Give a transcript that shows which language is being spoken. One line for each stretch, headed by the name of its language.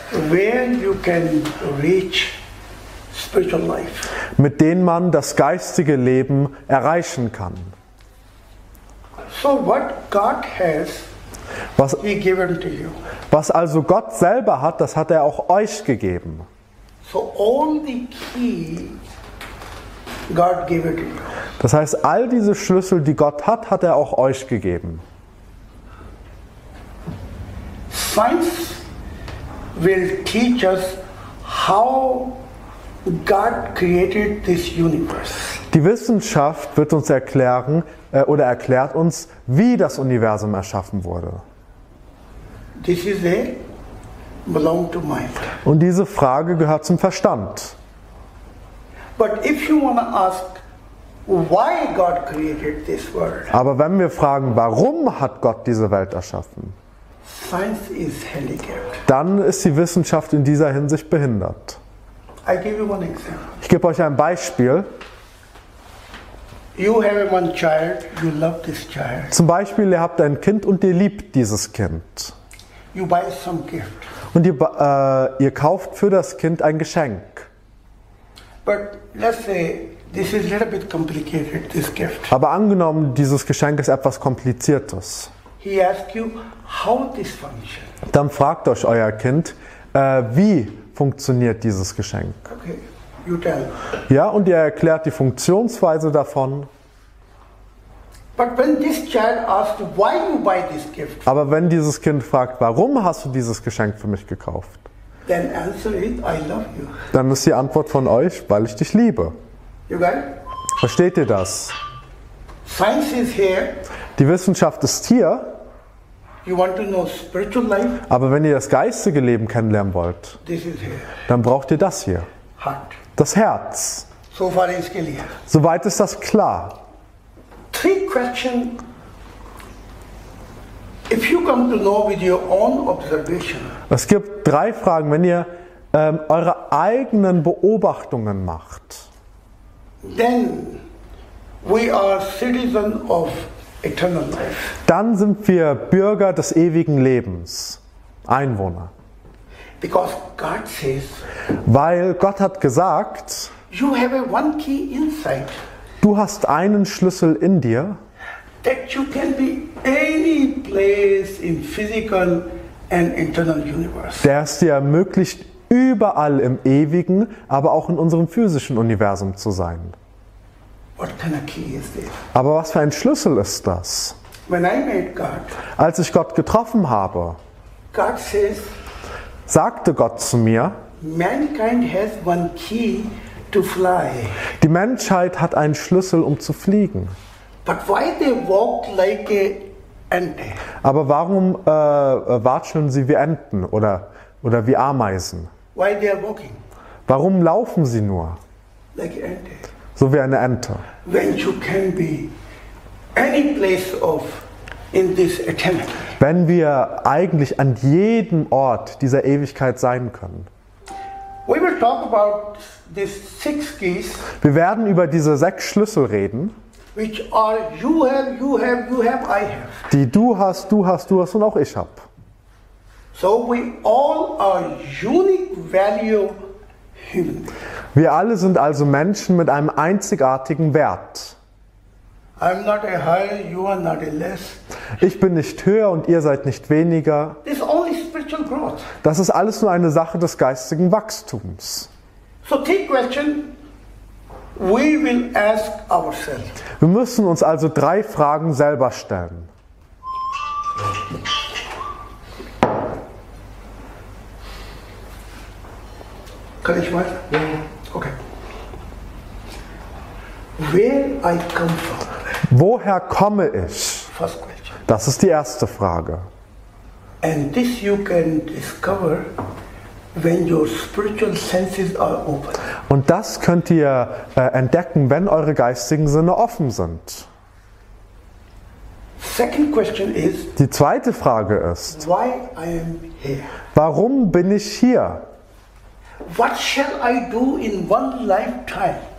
English: where you can reach spiritual life.
German: Mit denen man das geistige Leben erreichen kann.
English: So what God has, was, he given to you.
German: Was also Gott selber hat, das hat er auch euch gegeben.
English: So all the key God gave to you.
German: Das heißt, all diese Schlüssel, die Gott hat, hat er auch euch gegeben.
English: Science will teach us how God created this universe.
German: Die Wissenschaft wird uns erklären oder erklärt uns, wie das Universum erschaffen wurde.
English: This is a belong to mind.
German: Und diese Frage gehört zum Verstand.
English: But if you want to ask why God created this world.
German: Aber wenn wir fragen, warum hat Gott diese Welt erschaffen?
English: Science is handicapped.
German: Dann ist die Wissenschaft in dieser Hinsicht behindert.
English: I give you one example.
German: Ich gebe euch ein Beispiel.
English: You have one child, you love this child.
German: Zum Beispiel, ihr habt ein Kind und ihr liebt dieses Kind.
English: You buy some gift.
German: Und ihr kauft für das Kind ein Geschenk.
English: But let's say this is a little bit complicated, this gift.
German: Aber angenommen, dieses Geschenk ist etwas Kompliziertes.
English: He asks you how this functions.
German: Dann fragt euch euer Kind, wie funktioniert dieses Geschenk.
English: Okay. You tell.
German: Ja, und ihr erklärt die Funktionsweise davon.
English: But when this child asks why you buy this gift.
German: Aber wenn dieses Kind fragt, warum hast du dieses Geschenk für mich gekauft?
English: Then answer it, I love you.
German: Dann ist die Antwort von euch, weil ich dich liebe.
English: You got it?
German: Versteht ihr das?
English: Science is here.
German: Die Wissenschaft ist hier.
English: You want to know spiritual life?
German: Aber wenn ihr das geistige Leben kennenlernen wollt,
English: this is here.
German: Dann braucht ihr das hier.
English: Heart.
German: Das Herz.
English: So far is clear.
German: Soweit ist das klar.
English: three questions. If you come to know with your own observation.
German: Es gibt drei Fragen, wenn ihr eure eigenen Beobachtungen macht.
English: Then we are citizens of eternal life.
German: Dann sind wir Bürger des ewigen Lebens, Einwohner.
English: Because God says,
German: weil Gott hat gesagt,
English: you have a one key inside,
German: du hast einen Schlüssel in dir,
English: that you can be any place in physical and internal universe.
German: Der es dir ermöglicht, überall im ewigen, aber auch in unserem physischen Universum zu sein.
English: What kind of key is this?
German: Aber was für ein Schlüssel ist das?
English: When I met God,
German: als ich Gott getroffen habe,
English: God says,
German: sagte Gott zu mir,
English: mankind has one key to fly.
German: Die Menschheit hat einen Schlüssel, um zu fliegen.
English: But why they walk like a ente?
German: Aber warum watscheln sie wie Enten oder wie Ameisen?
English: Why they are walking?
German: Warum laufen sie nur?
English: Like a ente.
German: So wie eine Ente.
English: When you can be any place of in this eternity.
German: Wenn wir eigentlich an jedem Ort dieser Ewigkeit sein können.
English: We will talk about these six keys,
German: wir werden über diese sechs Schlüssel reden,
English: which are you have, I have.
German: Die du hast und auch ich habe.
English: So we all are unique value humans.
German: Wir alle sind also Menschen mit einem einzigartigen Wert.
English: I'm not a higher, you are not a less.
German: Ich bin nicht höher und ihr seid nicht weniger.
English: This is only spiritual growth.
German: Das ist alles nur eine Sache des geistigen Wachstums.
English: So three questions we will ask ourselves.
German: Wir müssen uns also drei Fragen selber stellen. Kann ich mal? Ja. Okay.
English: Where I come from?
German: Woher komme ich?
English: First question.
German: Das ist die erste Frage.
English: And this you can discover when your spiritual senses are open.
German: Und das könnt ihr entdecken, wenn eure geistigen Sinne offen sind.
English: Second question is,
German: die zweite Frage ist,
English: why I am here?
German: Warum bin ich hier?
English: What shall I do in one lifetime?